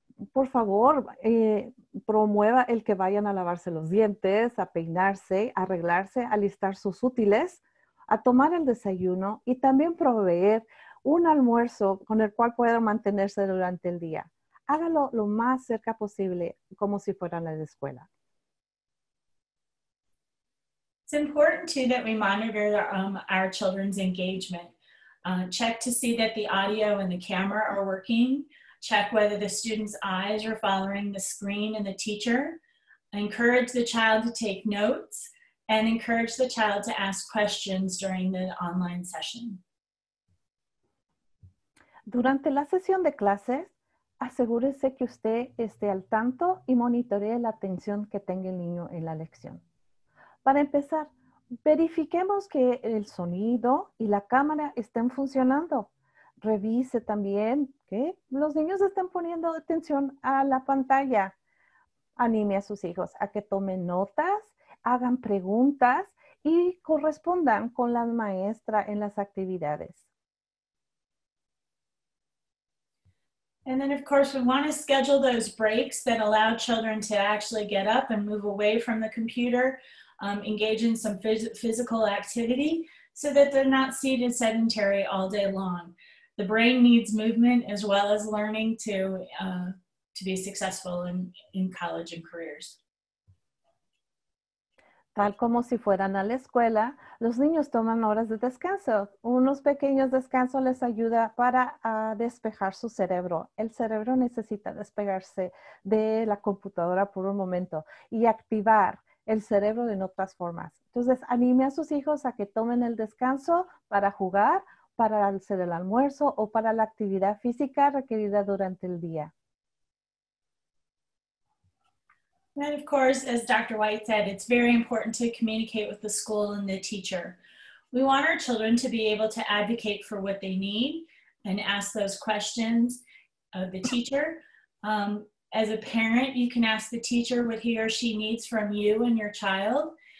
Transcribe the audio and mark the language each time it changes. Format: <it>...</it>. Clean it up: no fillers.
<es>Por favor, promueva el que vayan a lavarse los dientes, a peinarse, a arreglarse, a listar sus útiles, a tomar el desayuno y también proveer un almuerzo con el cual puedan mantenerse durante el día. Hágalo lo más cerca posible, como si fueran a la escuela.</es> <en>It's important too that we monitor our children's engagement. Check to see that the audio and the camera are working. Check whether the student's eyes are following the screen and the teacher. Encourage the child to take notes and encourage the child to ask questions during the online session.</en> <es>Durante la sesión de clases, asegúrese que usted esté al tanto y monitoree la atención que tenga el niño en la lección. Para empezar, verifiquemos que el sonido y la cámara estén funcionando. Revise también que los niños estén poniendo atención a la pantalla. Anime a sus hijos a que tomen notas, hagan preguntas y correspondan con la maestra en las actividades.</es> <en>And then, of course, we want to schedule those breaks that allow children to actually get up and move away from the computer, engage in some physical activity so that they're not seated sedentary all day long. The brain needs movement as well as learning to be successful in college and careers.</en> <es>Tal como si fueran a la escuela, los niños toman horas de descanso. Unos pequeños descansos les ayuda para despejar su cerebro. El cerebro necesita despegarse de la computadora por un momento y activar el cerebro en otras formas. Entonces, anime a sus hijos a que tomen el descanso para jugar, para hacer el almuerzo o para la actividad física requerida durante el día.</es> <en>And of course, as Dr. White said, it's very important to communicate with the school and the teacher. We want our children to be able to advocate for what they need and ask those questions of the teacher. As a parent, you can ask the teacher what he or she needs from you and your child.</en>